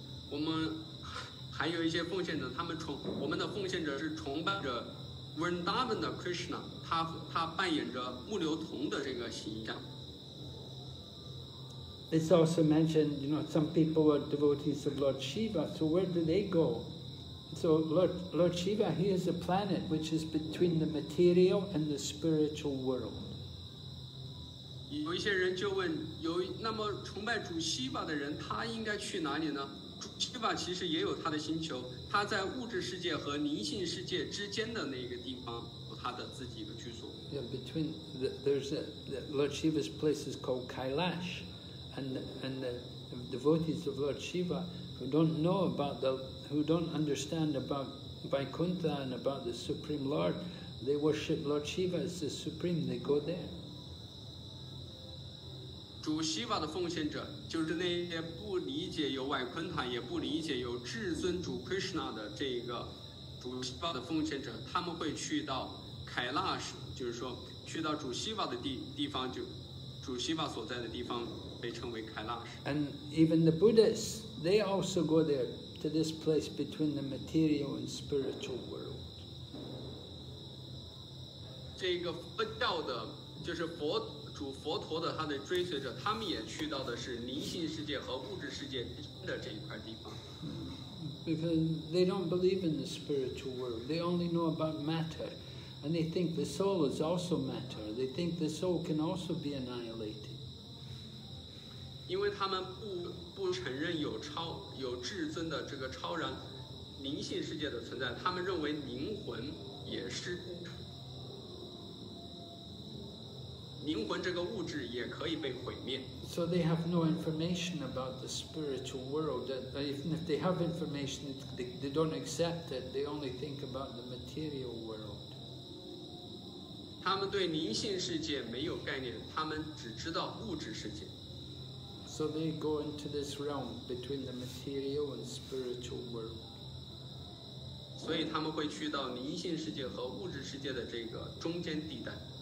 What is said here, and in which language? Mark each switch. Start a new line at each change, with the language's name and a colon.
Chinese: 我们还有一些奉献者，他们崇我们的奉献者是崇拜着 Vrindavan 的 Krishna， 他扮演着木牛童的这个形象。
English: It's also mentioned, you know, some people are devotees of Lord Shiva. So where do they go? So Lord Shiva, he is a planet which is between the material and the spiritual world.
Chinese: 有一些人就问，有那么崇拜主西巴的人，他应该去哪里呢？主西巴其实也有他的星球，他在物质世界和灵性世界之间的那个地方，有他的自己的居所。
English: Yeah, between the Lord Shiva's place is called Kailash, and the devotees of Lord Shiva who don't know about the who don't understand about Vaikuntha and about the Supreme Lord, they worship Lord Shiva as the supreme. They go there.
Chinese: 主西瓦的奉献者就是那些不理解有外昆塔也不理解有至尊主 Krishna 的这个主西瓦的奉献者，他们会去到凯拉什，就是说去到主西瓦的 地方，就主西瓦所在的地方被称为凯拉什。
English: And even the Buddhists they also go there to this place between the material and spiritual world.
Chinese: 这个佛教的就是佛主佛陀的他的追随者，他们也去到的是灵性世界和物质世界的这一块地方。
English: Because they don't believe in the spiritual world, they only know about matter, and they think the soul is also matter. They think the soul can also be annihilated.
Chinese: 因为他们不承认有至尊的这个超然灵性世界的存在，他们认为灵魂也是。灵魂这个物质也可以被毁灭。
English: So they have no information about the spiritual world. Even if they have information, they don't accept it. They only think about the material world.
Chinese: 他们对灵性世界没有概念，他们只知道物质世界。
English: So they go into this realm between the material and spiritual world.
Chinese: 所以他们会去到灵性世界和物质世界的这个中间地带。